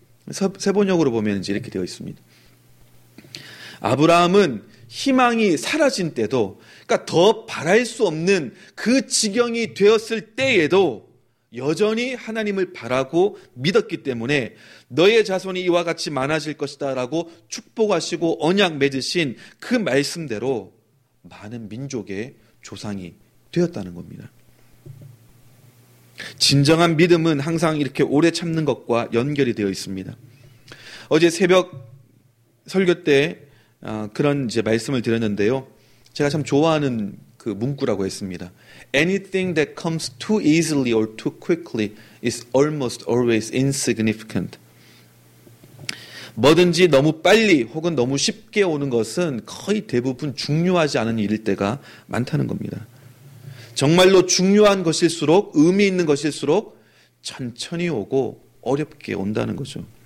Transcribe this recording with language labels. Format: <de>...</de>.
<ko>세번역으로 보면 이렇게 되어 있습니다. 아브라함은 희망이 사라진 때도, 그러니까 더 바랄 수 없는 그 지경이 되었을 때에도 여전히 하나님을 바라고 믿었기 때문에 너의 자손이 이와 같이 많아질 것이다 라고 축복하시고 언약 맺으신 그 말씀대로 많은 민족의 조상이 되었다는 겁니다. 진정한 믿음은 항상 이렇게 오래 참는 것과 연결이 되어 있습니다. 어제 새벽 설교 때 그런 이제 말씀을 드렸는데요. 제가 참 좋아하는 그 문구라고 했습니다.</ko> <en>Anything that comes too easily or too quickly is almost always insignificant.</en> <ko>뭐든지 너무 빨리 혹은 너무 쉽게 오는 것은 거의 대부분 중요하지 않은 일일 때가 많다는 겁니다. 정말로 중요한 것일수록, 의미 있는 것일수록 천천히 오고 어렵게 온다는 거죠.</ko>